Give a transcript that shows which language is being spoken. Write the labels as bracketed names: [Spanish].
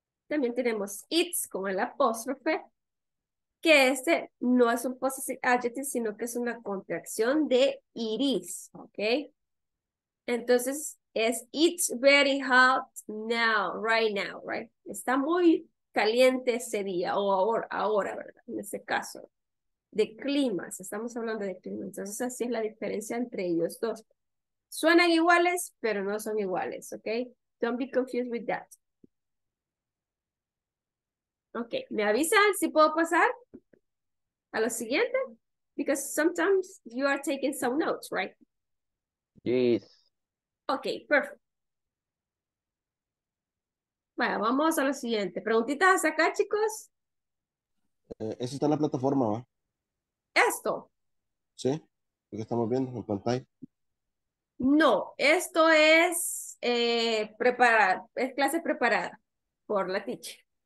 [Spanish] También tenemos it's con el apóstrofe, que este no es un possessive adjective, sino que es una contracción de it is, okay? Entonces, es [English] it's very hot now, right now, right? [Spanish] Está muy caliente ese día, o ahora, ¿verdad? En ese caso, de climas, estamos hablando de climas. Entonces, así es la diferencia entre ellos dos. Suenan iguales, pero no son iguales, ¿ok? [English] Don't be confused with that. [Spanish] Ok, ¿me avisan si puedo pasar a lo siguiente? [English] Because sometimes you are taking some notes, right? Yes. [Spanish] Okay, perfecto. Bueno, vamos a lo siguiente. ¿Preguntitas acá, chicos? Esa está en la plataforma, ¿va? Esto. Sí, lo que estamos viendo en pantalla. No, esto es preparar, es clase preparada por la teacher.